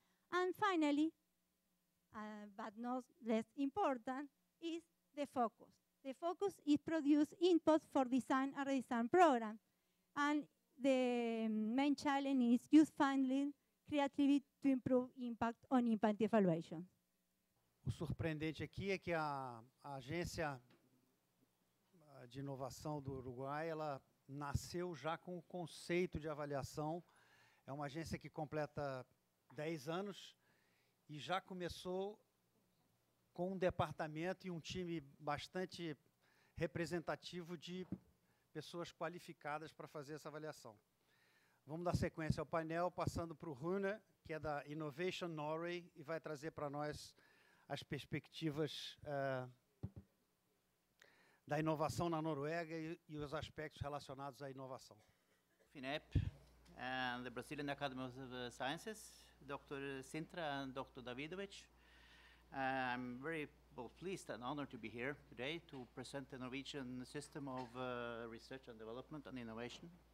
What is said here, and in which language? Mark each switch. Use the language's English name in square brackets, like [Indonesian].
[English] And finally, but not less important, is the focus. The focus is produce input for design and redesign program. And the main challenge is use finding creativity to improve impact on impact evaluation. [Portuguese] O surpreendente aqui é que a agência de inovação do Uruguai, ela nasceu já com o conceito de avaliação. É uma agência que completa 10 anos e já começou com um departamento e um time bastante representativo de pessoas qualificadas para fazer essa avaliação. Vamos dar sequência ao painel, passando para o Rune, que é da Innovation Norway, e vai trazer para nós as perspectivas da inovação na Noruega e os aspectos relacionados à inovação. [English] Finep, and the Brazilian Academy of Sciences, Dr. Sintra and Dr. Davidovich. I'm very pleased and honored to be here today to present the Norwegian system of research and development and innovation.